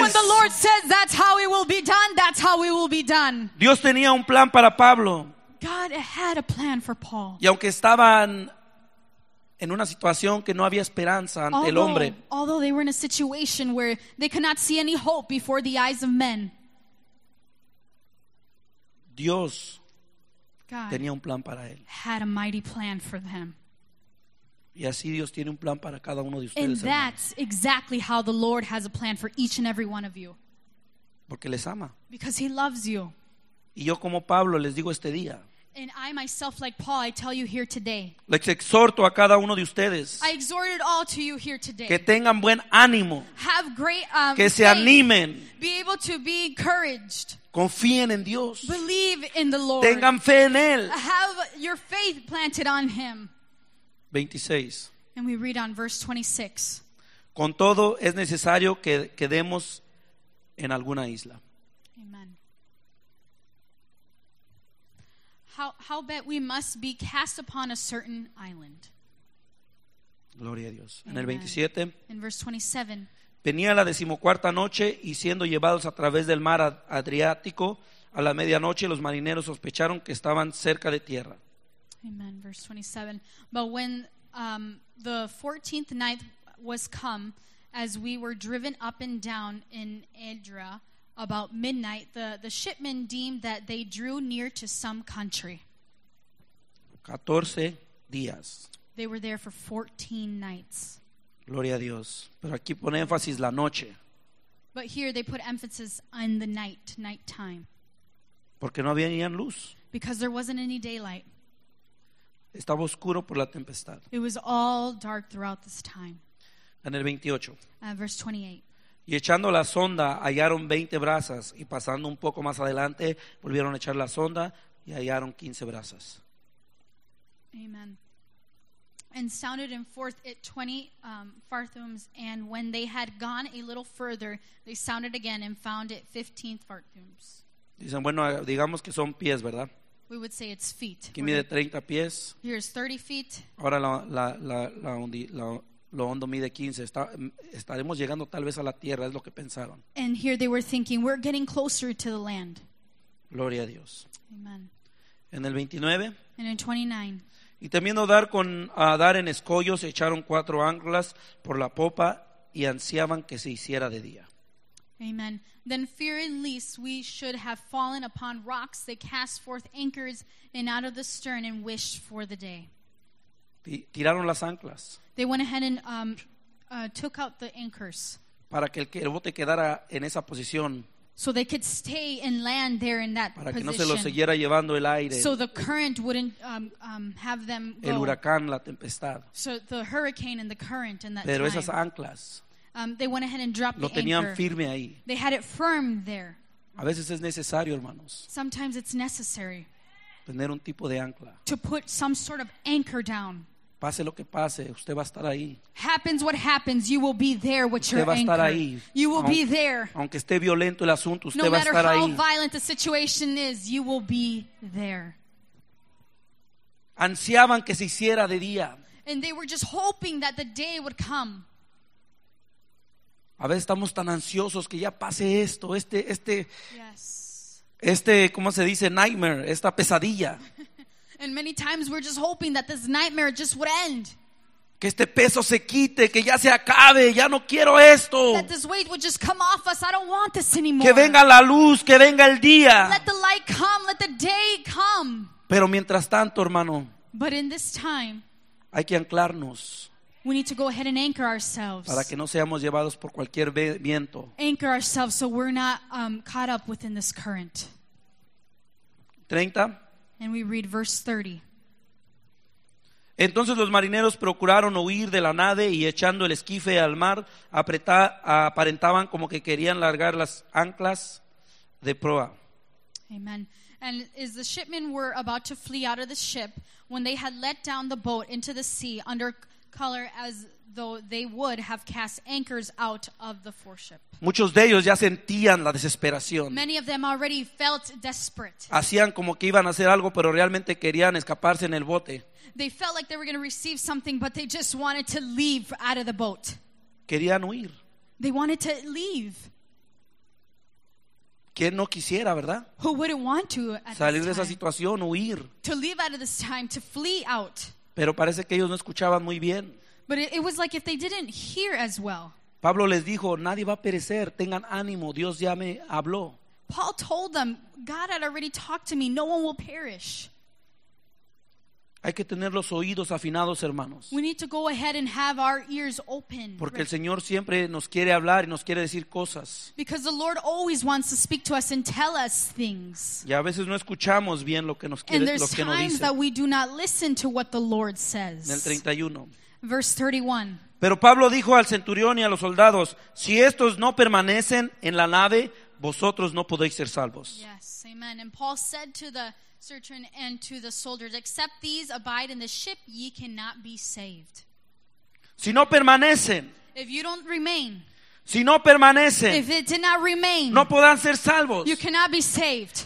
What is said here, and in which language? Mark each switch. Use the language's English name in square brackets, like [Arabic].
[English] When the Lord says that's how it will be done, that's how it will be done. [Spanish] Dios tenía un plan para Pablo. [English] God had a plan for Paul. [Spanish] Y aunque estaban en una situación que no había esperanza ante el hombre, [English] although they were in a situation where they could not see any hope before the eyes of men, [Spanish] Dios [English] God [Spanish] tenía un plan para él. [English] Had a mighty plan for them. [Spanish] Y así Dios tiene un plan para cada uno de ustedes. [English] And that's [Spanish] hermanos. [English] Exactly how the Lord has a plan for each and every one of you. [Spanish] Porque les ama. [English] Because he loves you. [Spanish] Y yo como Pablo les digo este día. [English] And I myself, like Paul, I tell you here today. [Spanish] Les exhorto a cada uno de ustedes. [English] I exhort it all to you here today. [Spanish] Que tengan buen ánimo. [English] Have great [Spanish] que se [English] faith. [Spanish] Animen. [English] Be able to be encouraged. [Spanish] Confíen en Dios. [English] Believe in the Lord. [Spanish] Tengan fe en él. [English] Have your faith planted on him. [Spanish] 26. [English] And we read on verse 26. [Spanish] Con todo, es necesario que quedemos en alguna isla. [English] Amen. How bet we must be cast upon a certain island. [Spanish] Gloria a Dios. Amen. En el 27. [English] In verse 27. [Spanish] Venía la decimocuarta noche, y siendo llevados a través del mar Adriático, a la medianoche los marineros sospecharon que estaban cerca de tierra. [English] Amen. Verse 27. But when the 14th night was come, as we were driven up and down in Adria, about midnight, the shipmen deemed that they drew near to some country. [Spanish] 14 días. [English] They were there for 14 nights. [Spanish] Gloria a Dios. Pero aquí pone énfasis la noche. [English] But here they put emphasis on the night, nighttime. [Spanish] Porque no había ni luz. [English] Because there wasn't any daylight. [Spanish] Estaba oscuro por la tempestad. [English] It was all dark throughout this time. [Spanish] En el 28. [English] Verse 28. [Spanish] Y echando la sonda hallaron 20 brazas, y pasando un poco más adelante volvieron a echar la sonda y hallaron 15 brazas. [English] Amen. And sounded and forth it 20 farthums, and when they had gone a little further, they sounded again and found it 15 farthums. [Spanish] Dicen, bueno, digamos que son pies, ¿verdad? [English] We would say it's feet. [Spanish] Aquí mide 30 pies. [English] Here's 30 feet. [Spanish] Ahora lo hondo mide 15. Estaremos llegando tal vez a la tierra, es lo que pensaron. [English] And here they were thinking, we're getting closer to the land. [Spanish] Gloria a Dios. [English] Amen. [Spanish] En el 29. [English] And in 29. [Spanish] Y temiendo dar dar en escollos, echaron 4 anclas por la popa y ansiaban que se hiciera de día. [English] Amen. Then fearing lest we should have fallen upon rocks, they cast forth anchors and out of the stern and wished for the day. [Spanish] Tiraron las anclas. [English] They went ahead and took out the anchors. [Spanish] Para que el bote quedara en esa posición. [English] So they could stay and land there in that [Spanish] para que [English] position. [Spanish] No se lo siguiera llevando el aire. [English] So the current wouldn't have them go. [Spanish] El huracán, la tempestad. [English] So the hurricane and the current in that [Spanish] pero [English] time. [Spanish] Esas anclas, [English] they went ahead and dropped [Spanish] lo [English] the [Spanish] tenían [English] anchor. [Spanish] Firme ahí. [English] They had it firm there. [Spanish] A veces es necesario, hermanos. [English] Sometimes it's necessary. [Spanish] Tener un tipo de ancla. [English] To put some sort of anchor down. [Spanish] Pase lo que pase, usted va a estar ahí. [English] Happens what happens, you will be there with [Spanish] usted [English] your anchor. [Spanish] Ahí. [English] You will be there. [Spanish] Aunque esté violento el asunto, usted no va a estar ahí. [English] No matter how violent the situation is, you will be there. [Spanish] Ansiaban que se hiciera de día. [English] And they were just hoping that the day would come. [Spanish] A veces estamos tan ansiosos que ya pase esto, [English] yes. [Spanish] ¿Cómo se dice? Nightmare, esta pesadilla. [English] And many times we're just hoping that this nightmare just would end. [Spanish] Que este peso se quite, que ya se acabe, ya no quiero esto. [English] That this weight would just come off us, I don't want this anymore. [Spanish] Que venga la luz, que venga el día. [English] Let the light come, let the day come. [Spanish] Pero mientras tanto, hermano, [English] but in this time, [Spanish] hay que anclarnos. [English] We need to go ahead and anchor ourselves. [Spanish] Para que no seamos llevados por cualquier viento. [English] Anchor ourselves so we're not caught up within this current. [Spanish] 30. [English] And we read verse 30. [Spanish] Entonces los marineros procuraron huir de la nave y echando el esquife al mar, aparentaban como que querían largar las anclas de proa. [English] Amen. And as the shipmen were about to flee out of the ship, when they had let down the boat into the sea under color as though they would have cast anchors out of the foreship. [Spanish] Muchos de ellos ya sentían la desesperación. [English] Many of them already felt desperate. [Spanish] Hacían como que iban a hacer algo, pero realmente querían escaparse en el bote. [English] They felt like they were going to receive something, but they just wanted to leave out of the boat. [Spanish] Querían huir. [English] They wanted to leave. [Spanish] ¿Quién no quisiera, verdad? [English] Who wouldn't want to [Spanish] salir de esa situación, huir? [English] To leave out of this time, to flee out. [Spanish] Pero parece que ellos no escuchaban muy bien. [English] But it was like if they didn't hear as well. [Spanish] Pablo les dijo, nadie va a perecer, tengan ánimo, Dios ya me habló. [English] Paul told them, God had already talked to me, no one will perish. [Spanish] Hay que tener los oídos afinados, hermanos. [English] We need to go ahead and have our ears open. [Spanish] Porque el Señor siempre nos quiere hablar y nos quiere decir cosas. [English] Because the Lord always wants to speak to us and tell us things. [Spanish] Y a veces no escuchamos bien lo que nos quiere, [English] and there's [Spanish] lo que [English] times [Spanish] nos dice. [English] That we do not listen to what the Lord says. [Spanish] En el 31. [English] Verse 31. [Spanish] Pero Pablo dijo al centurión y a los soldados, si estos no permanecen en la nave, vosotros no podéis ser salvos. [English] Yes, amen. And Paul said to the centurion and to the soldiers, except these abide in the ship, ye cannot be saved. [Spanish] Si no permanecen. [English] If you don't remain. [Spanish] Si no permanecen. [English] If it did not remain. [Spanish] No podrán ser salvos. [English] You cannot be saved.